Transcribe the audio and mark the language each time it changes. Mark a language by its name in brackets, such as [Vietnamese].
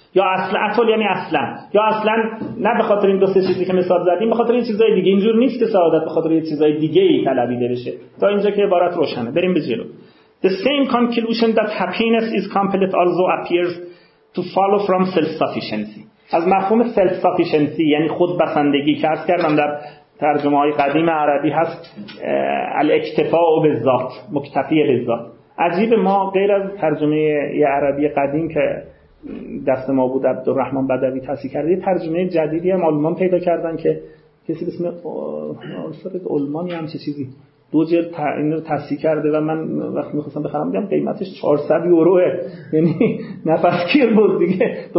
[Persian] یا اصل اطول یعنی اصلا، یا اصلا نه به خاطر این دو سه چیزی که مثال زدیم، به خاطر این چیزای دیگه. اینجور نیست که سعادت به خاطر یه چیزای دیگه ای طلبیده بشه. تا اینجا که عبارت روشنه، بریم به جلو. [English] The same conclusion that happiness is complete also appears to follow from self-sufficiency. [Persian] از مفهوم self-sufficiency یعنی خود بسندگی که عرض کردم در ترجمه های قدیم عربی هست، الاکتفاء به ذات، مکتفی به ذات. عجیبه، ما غیر از ترجمه عربی قدیم که دست ما بود عبدالرحمن بدوی تصحیح کرده، یه ترجمه جدیدی هم آلمان پیدا کردن که کسی به اسم آلفرد آلمانی هم چیزی دو جلد این رو تصحیح کرده و من وقتی میخواستم بخرم بگم قیمتش 400 یوروه، یعنی نفسگیر بود دیگه.